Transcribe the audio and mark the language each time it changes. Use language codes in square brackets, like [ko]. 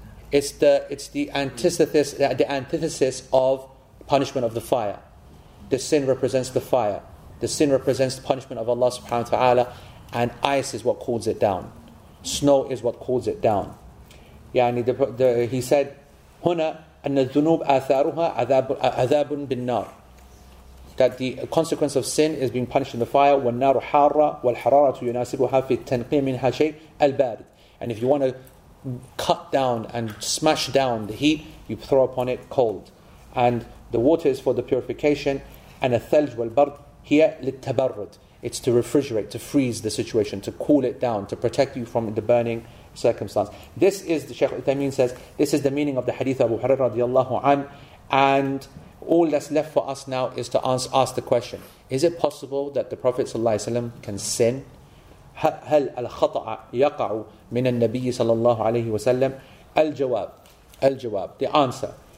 [en] It's the antithesis, of punishment of the fire. The sin represents the fire. The sin represents the punishment of Allah subhanahu wa ta'ala. And ice is what cools it down. Snow is what cools it down. Yeah, and he said... هنا [ar] أن الذنوب آثارها عذاب بالنار. [en] That the consequence of sin is being punished in the fire. [ar] والنار حارة والحرارة يناسبها في التنقية منها شيء البارد. [en] And if you want to cut down and smash down the heat, you throw upon it cold. And the water is for the purification. [ar] And الثلج والبرد هي للتبرد. [en] It's to refrigerate, to freeze the situation, to cool it down, to protect you from the burning circumstance. This is, the Shaykh Uthaymeen says, this is the meaning of the hadith of Abu Hurairah radiallahu anhu. And all that's left for us now is to ask the question, is it possible that the Prophet sallallahu alayhi wa sallam can sin? [ar] هل الخطأ يقع من النبي صلى الله عليه وسلم؟ الجواب, [en] the answer.